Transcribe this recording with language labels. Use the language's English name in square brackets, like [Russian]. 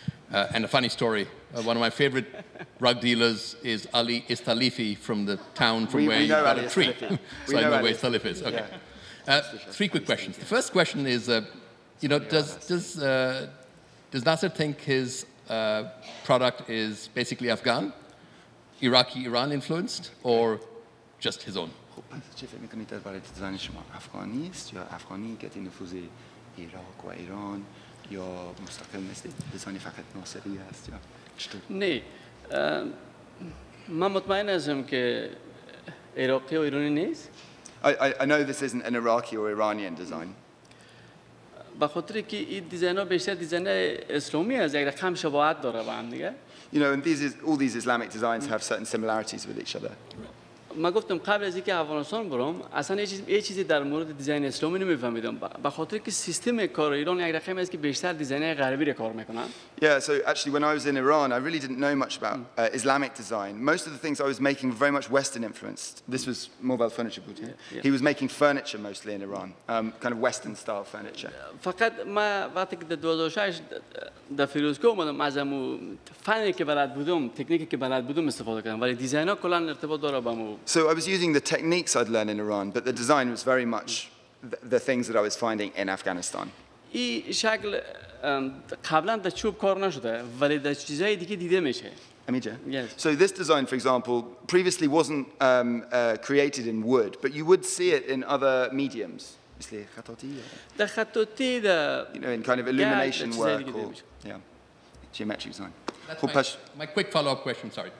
[English] And a funny story, one of my favorite rug dealers is Ali Istalifi from the town from where you got a tree. So I know where Istalifi is. Okay. Three quick questions. The first question is, you know, does Nasser think his product is basically Afghan, Iraqi, Iran influenced, or just his own. [Persian] خب پس چه فکر میکنید در برای دیزاین شما افغانی است یا افغانی که تی نفوذ عراق و ایران یا مستقل مثل دیزاین فقط ناصری است یا چطور؟ نه من مطمئن هستم که عراقی و ایرانی نیست [English] I know this isn't an Iraqi or Iranian design. [Persian] با خاطر که این دیزاین ها بیشتر دیزاین اسلامی است یک رقم شباهت داره با هم دیگه. [English] You know, and all these Islamic designs have certain similarities with each other. [Persian] ما گفتم قبل از اینکه افغانستان برم اصلا یه چیزی در مورد دیزاین اسلامی نمیفهمیدم به خاطر که سیستم کار ایران یک رقمی است که بیشتر دیزاین غربی رو کار میکنن [English] Yeah, so actually when I was in Iran, I really didn't know much about Islamic design. Most of the things I was making were very much Western influenced. This was mobile furniture, yeah? Yeah. He was making furniture mostly in Iran, kind of Western style furniture. [Persian] فقط ما وقتی که 2006 در فیروزکوه اومدم از امو فنی که بلد بودم، تکنیکی که بلد بودم استفاده کردم ولی دیزاین ها کلان ارتباط داره با امو. [English] So I was using the techniques I'd learned in Iran, but the design was very much the things that I was finding in Afghanistan. [Persian] این شکل قبلا در چوب کار نشده ولی در چیزهای دیگه دیده میشه. Amija? [English] Yes. So this design, for example, previously wasn't created in wood, but you would see it in other mediums. You know, in kind of illumination work or geometric design. My quick follow-up question, sorry,